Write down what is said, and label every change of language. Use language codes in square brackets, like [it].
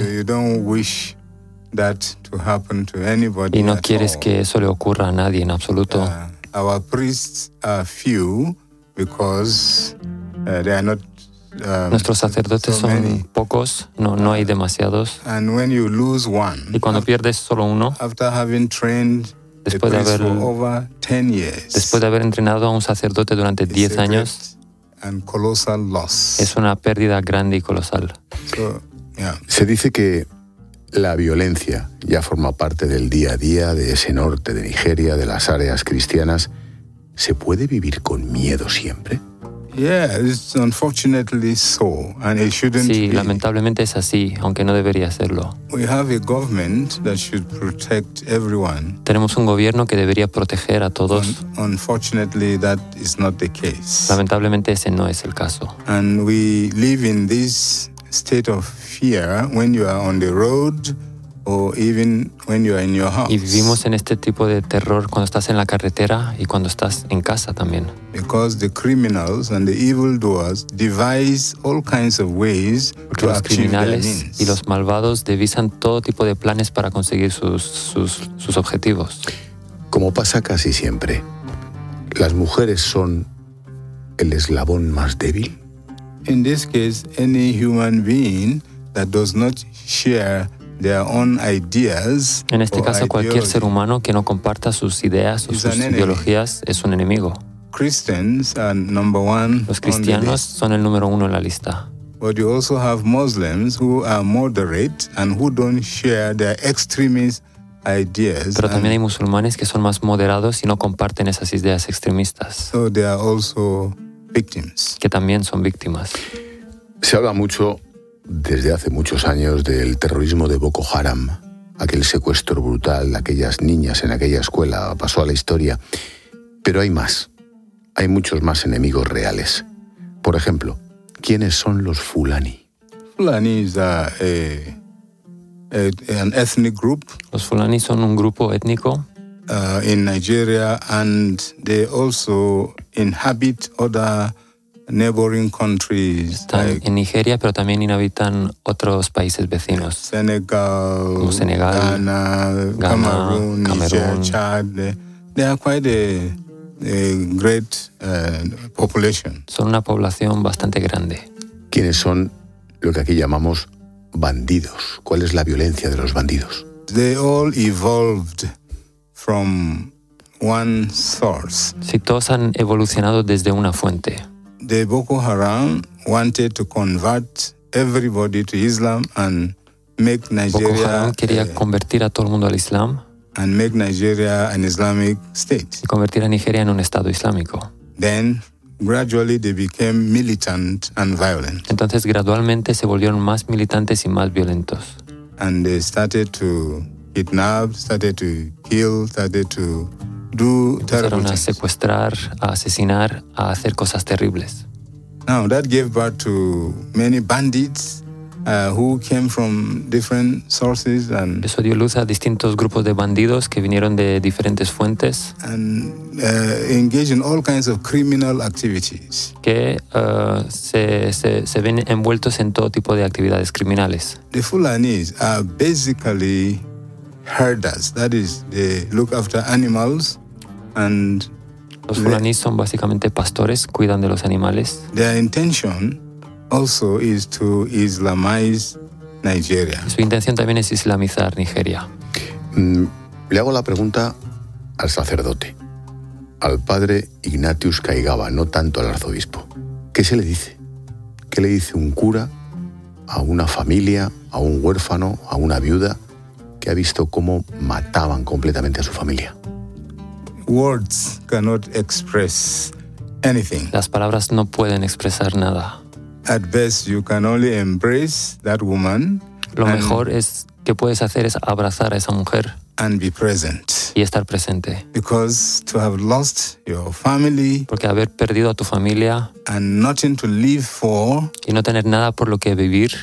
[en] You don't wish that to happen to anybody. [es] Y no quieres que eso le ocurra a nadie en absoluto. [en] Our priests are few because they are not. [es] Nuestros sacerdotes son pocos, no hay demasiados. [en] And when you lose one, [es] y cuando pierdes solo uno, [en] after having trained [es] después de haber entrenado a un sacerdote durante 10 años. [en] And colossal loss. [es] Es una pérdida grande y colosal. Se dice que la violencia ya forma parte del día a día de ese norte de Nigeria, de las áreas cristianas. ¿Se puede vivir con miedo siempre? Sí, lamentablemente es así, aunque no debería serlo. [en] We have a government that should protect everyone. [es] Tenemos un gobierno que debería proteger a todos. [en] Unfortunately, that is not the case. [es] Lamentablemente ese no es el caso. [en] And we live in this state of fear when you are on the road or even when you are in your house. [es] Y vivimos en este tipo de terror cuando estás en la carretera y cuando estás en casa también. [en] Because the criminals and the evil doers devise all kinds of ways to achieve their means. [es] Los criminales y los malvados devisan todo tipo de planes para conseguir sus objetivos. Como pasa casi siempre, las mujeres son el eslabón más débil. [en] In this case, any human being that does not share their own ideas. [es] En este caso, cualquier ser humano que no comparta sus ideas o sus ideologías es un enemigo. [en] Christians are number one. [es] Los cristianos son el número uno en la lista. [en] But you also have Muslims who are moderate and who don't share their extremist ideas. [es] Pero también hay musulmanes que son más moderados y no comparten esas ideas extremistas. [en] So they are also victims. [es] Que también son víctimas. Se habla mucho desde hace muchos años del terrorismo de Boko Haram, aquel secuestro brutal de aquellas niñas en aquella escuela, pasó a la historia. Pero hay más. Hay muchos más enemigos reales. Por ejemplo, ¿quiénes son los Fulani? [en] Fulani is an ethnic group. [es] Los Fulani son un grupo étnico. [en] In Nigeria, and they also inhabit other neighboring countries. [es] Están [en] like [es] en Nigeria, pero también inhabitan otros países vecinos. [en] Senegal, Ghana, Cameroon, Niger, Chad. They are quite a great population. [es] Son una población bastante grande. ¿Quiénes son lo que aquí llamamos bandidos? ¿Cuál es la violencia de los bandidos? [en] They all evolved from one source. [es] Sí, todos han evolucionado desde una fuente. [en] The Boko Haram wanted to convert everybody to Islam and make Nigeria. [es] Boko Haram quería convertir a todo el mundo al Islam. [en] And make Nigeria an Islamic state. [es] Y convertir a Nigeria en un estado islámico. [en] Then gradually they became militant and violent. [es] Entonces gradualmente se volvieron más militantes y más violentos. [en] And they started to kidnap, started to kill, started to do terrible things. [es] Empezaron a secuestrar, a asesinar, a hacer cosas terribles. [en] Now that gave birth to many bandits. Who came from different sources and [es] eso dio luz a distintos grupos de bandidos que vinieron de diferentes fuentes [en] and engaged in all kinds of criminal activities. [es] Que se ven envueltos en todo tipo de actividades criminales. [en] The Fulanis are basically herders. That is, they look after animals and [es] los Fulanis son básicamente pastores, cuidan de los animales. [en] Their intention also is to Islamize Nigeria. [es] Su intención también es islamizar Nigeria. Le hago la pregunta al sacerdote, al padre Ignatius Kaigaba, no tanto al arzobispo. ¿Qué se le dice? ¿Qué le dice un cura a una familia, a un huérfano, a una viuda que ha visto cómo mataban completamente a su familia? [en] Words cannot express anything. [es] Las palabras no pueden expresar nada. [en] At best, you can only embrace that woman. [es] Lo mejor es que puedes hacer es abrazar a esa mujer. [en] And be present. [es] Y estar presente. [en] Because to have lost your family. [es] Porque haber perdido a tu familia. [en] And nothing to live for. [es] Y no tener nada por lo que vivir.